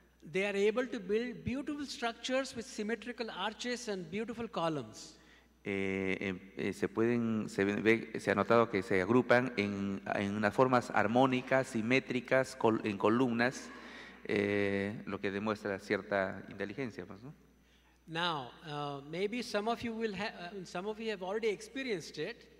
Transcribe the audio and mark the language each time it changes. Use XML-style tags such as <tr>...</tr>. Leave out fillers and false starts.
<en>They are able to build beautiful structures with symmetrical arches and beautiful columns.</en> <es>Se ha notado que se agrupan en unas formas armónicas, simétricas, en columnas, lo que demuestra cierta inteligencia, ¿no?</es> <en>Now, maybe some of you have already experienced it.</en>